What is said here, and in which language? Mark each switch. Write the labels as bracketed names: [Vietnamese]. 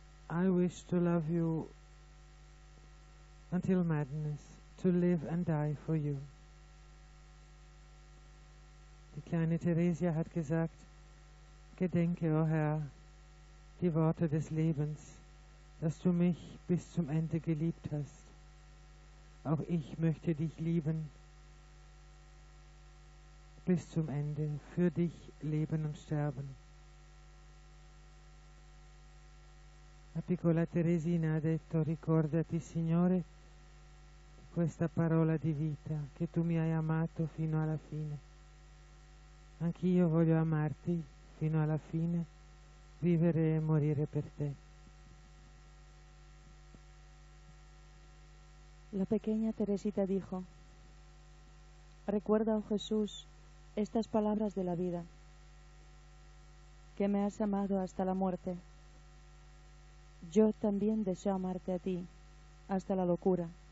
[English] I wish to love you until madness, to live and die for you. [German] Die kleine Theresia hat gesagt, Gedenke, O Herr, die Worte des Lebens, dass du mich bis zum Ende geliebt hast. Auch ich möchte dich lieben, bis zum Ende, für dich leben und sterben. [Italian] La piccola Teresina ha detto, ricordati, Signore, questa parola di vita, che tu mi hai amato fino alla fine. Anch'io voglio amarti fino alla fine, vivere e morire per te. [Spanish] La pequeña Teresita dijo, Recuerda, oh Jesús, estas palabras de la vida, que me has amado hasta la muerte. Yo también deseo amarte a ti, hasta la locura.